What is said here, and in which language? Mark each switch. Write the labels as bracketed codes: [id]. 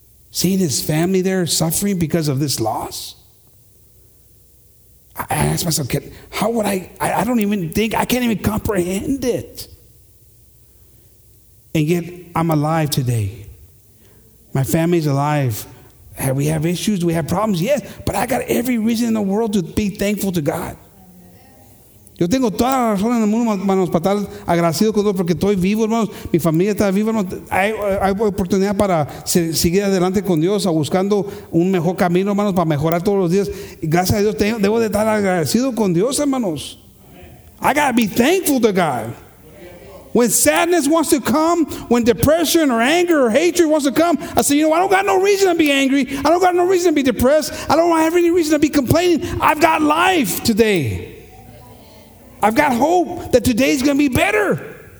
[en] Seeing his family there suffering because of this loss. I asked myself, how would I don't even think, I can't even comprehend it. And yet, I'm alive today. My family's alive. We have issues, we have problems, yes, but I got every reason in the world to be thankful to God. [es] Yo tengo todas las razones en el mundo, hermanos, para estar agradecido con Dios porque estoy vivo, hermanos. Mi familia está viva, hermanos. Hay oportunidad para seguir adelante con Dios, a buscando un mejor camino, hermanos, para mejorar todos los días. Y gracias a Dios, debo de estar agradecido con Dios, hermanos. [en] I gotta be thankful to God. When sadness wants to come, when depression or anger or hatred wants to come, I say, you know, I don't got no reason to be angry. I don't got no reason to be depressed. I don't have any reason to be complaining. I've got life today. I've got hope that today's going to be better.